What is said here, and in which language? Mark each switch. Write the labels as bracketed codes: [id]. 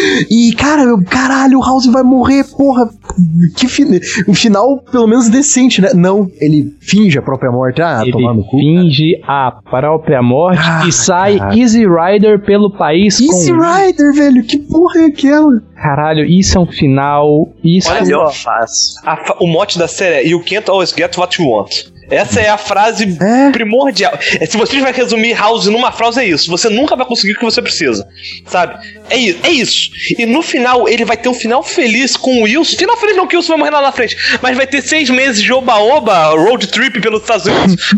[pt] E, cara, caralho, o House vai morrer, porra. Que um final, pelo menos, decente, né? Não, ele finge a própria morte. Ah, ele tomar no cu. Ele finge a própria morte e sai, cara. Easy Rider pelo país. Easy com... Rider, velho, que porra é aquela? Caralho, isso é um final. Isso olha é melhor fácil. O mote da série é: [en] You can't always get what you want. [pt] Essa é a frase primordial. Se você tiver que resumir House numa frase, é isso. Você nunca vai conseguir o que você precisa. Sabe? É isso. E no final, ele vai ter um final feliz com o Wilson. Final feliz não, que o Wilson vai morrer lá na frente. Mas vai ter 6 meses de oba-oba, road trip pelos Estados Unidos.